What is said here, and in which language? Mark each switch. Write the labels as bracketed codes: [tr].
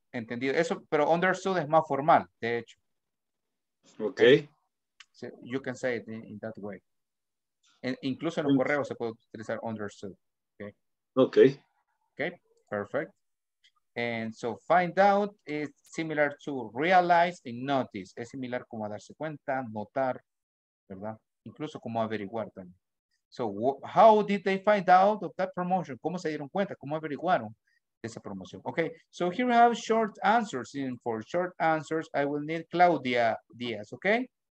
[es] Eso, pero understood es más formal, de hecho. [en] Ok. Sí, you can say it in that way. [es] Incluso en los correos se puede utilizar understood. [en] Okay, perfect. And so find out is similar to realize and notice. [es] Es similar como a darse cuenta, notar, ¿verdad? Incluso como averiguar también. [en] So how did they find out of that promotion? [es] ¿Cómo se dieron cuenta? ¿Cómo averiguaron esa promoción? [en] Okay, so here we have short answers. And for short answers, I will need Claudia Diaz, okay?